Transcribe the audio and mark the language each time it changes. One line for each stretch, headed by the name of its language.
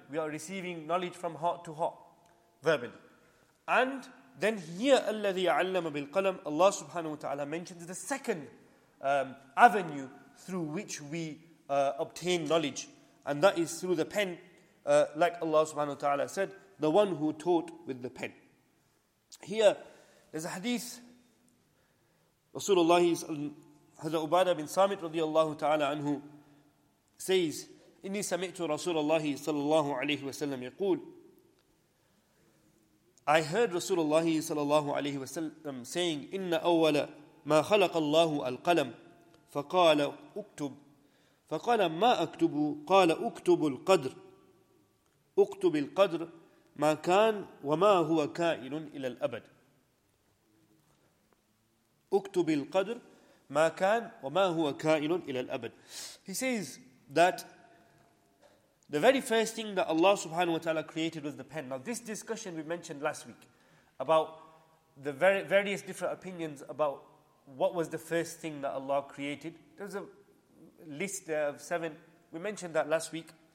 English: We are receiving knowledge from heart to heart, verbally. And then here,
Arabic: الَّذِي عَلَّمَ بِالْقَلَمِ,
English: Allah subhanahu wa ta'ala mentions the second avenue through which we obtain knowledge. And that is through the pen, like Allah subhanahu wa ta'ala said, the one who taught with the pen. Here, there's a hadith, Rasulullah, Hazrat Ubadah bin Samit radiallahu ta'ala anhu, says,
Arabic: إِنِّي سَمِئْتُ رَسُولَ اللَّهِ صَلَى اللَّهُ عَلَيْهِ وَسَلَّمْ يَقُولْ,
English: I heard Rasulullah
Arabic: صَلَى اللَّهُ عَلَيْهِ وَسَلَّمْ
English: saying,
Arabic: إِنَّ أَوَّلَ مَا خَلَقَ اللَّهُ الْقَلَمْ فَقَالَ أُكْتُبْ فَقَالَ مَا أَكْتُبُ قَالَ أُكْتُبُ الْقَدْرِ أُكْتُبِ الْقَدْرِ مَا كَانْ وَمَا هُوَ كَائِنٌ إِلَى الْأَبَدْ أُكْتُبِ الْقَدْرِ مَا كَانْ وَمَا هُوَ كَائِنٌ إِلَى الْأَبَدْ.
English: He says that the very first thing that Allah subhanahu wa ta'ala created was the pen. Now this discussion we mentioned last week about the various different opinions about what was the first thing that Allah created. There's a list there of seven. We mentioned that last week.